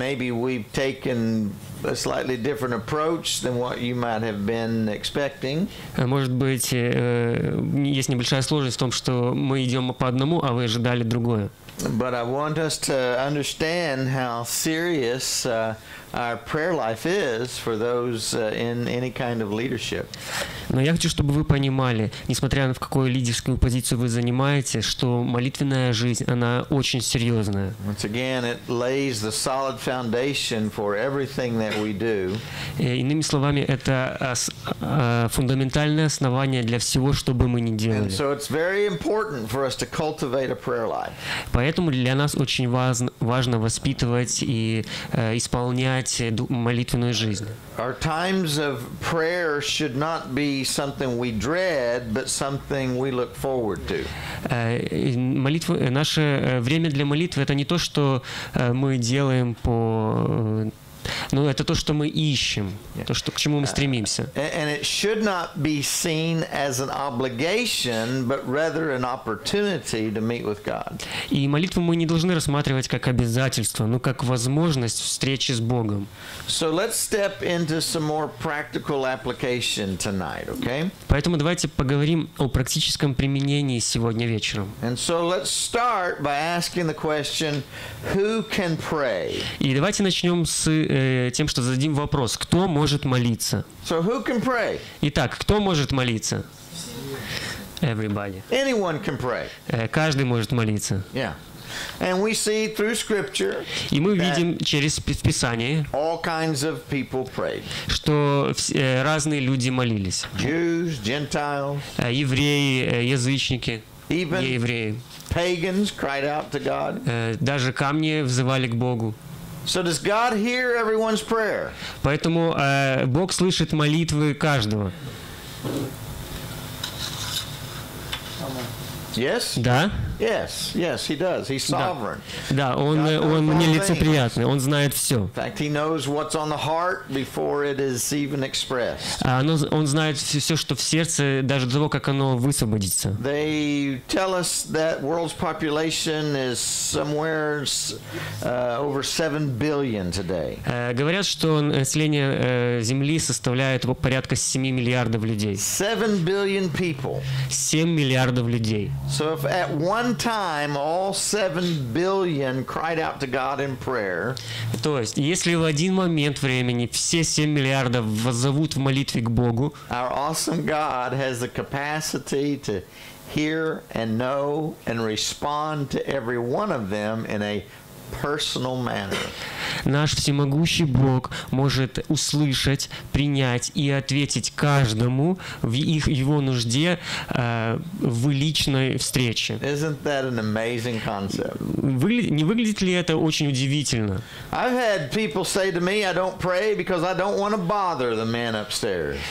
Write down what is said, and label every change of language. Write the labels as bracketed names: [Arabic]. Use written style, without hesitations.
[English] we've taken a slightly different approach than what you might have been expecting. [Russian] Может быть, есть небольшая сложность в том, что мы идем по одному, а вы ожидали другое. [English] But I want us to understand how serious our prayer life is for those in any kind of leadership. [Russian] Но я хочу, чтобы вы понимали, несмотря на в какую лидерскую позицию вы занимаете, что молитвенная жизнь, она очень серьезная. [English] Once again, it lays the solid foundation for everything that we do. [Russian] Иными словами, это фундаментальное основание для всего, что бы мы ни делали. [English] And so it's very important for us to cultivate a prayer life. [Russian] Поэтому для нас очень важно воспитывать и исполнять молитвенную жизнь. [English] Our times of prayer should not be something we dread, but something we look forward to. [Russian] Молитва, наше время для молитвы — это не то, что мы делаем по... Ну, это то, что мы ищем, то, что, к чему мы стремимся. [English] And it should not be seen as an obligation, but rather an opportunity to meet with God. [Russian] И молитву мы не должны рассматривать как обязательство, но как возможность встречи с Богом. [English] So let's step into some more practical application tonight, okay? [Russian] Поэтому давайте поговорим о практическом применении сегодня вечером. [English] And so let's start by asking the question, who can pray? [Russian] И давайте начнем с тем, что зададим вопрос, кто может молиться? [English] So who can pray? [Russian] Итак, кто может молиться? [English] Everybody. Anyone can pray. [Russian] Каждый может молиться. [English] Yeah. And we see through scripture, [Russian] и мы видим через Писание, [English] all kinds of people prayed. [Russian] Что разные люди молились. [English] Jews, Gentiles, [Russian] евреи, язычники, [English] even [Russian] неевреи. [English] Pagans cried out to God. [Russian] Даже камни взывали к Богу. [English] So does God hear everyone's prayer? [Russian] Поэтому Бог слышит молитвы каждого. [English] Yes? [Russian] Да. [English] Yes, yes, he does. He's sovereign. [Russian] Да, он нелицеприятный, он знает все. [English] In fact, he knows what's on the heart before it is even expressed. [Russian] Он знает все, что в сердце, даже до того, как оно высвободится. [English] They tell us that world's population is somewhere over 7 billion today. [Russian] Говорят, что население Земли составляет порядка 7 миллиардов людей. [English] 7 billion people. [Russian] 7 миллиардов людей. [English] So if at one time all 7 billion cried out to God in prayer, [Russian] то есть, если в один момент времени все 7 миллиардов воззовут в молитве к Богу, [English] our awesome God has the capacity to hear and know and respond to every one of them in a personal manner. [Russian] Наш всемогущий Бог может услышать, принять и ответить каждому в их его нужде в личной встрече. [English] Isn't that an amazing concept? [Russian] Не выглядит ли это очень удивительно? [English] I've had people say to me, I don't pray because I don't want to bother the man upstairs.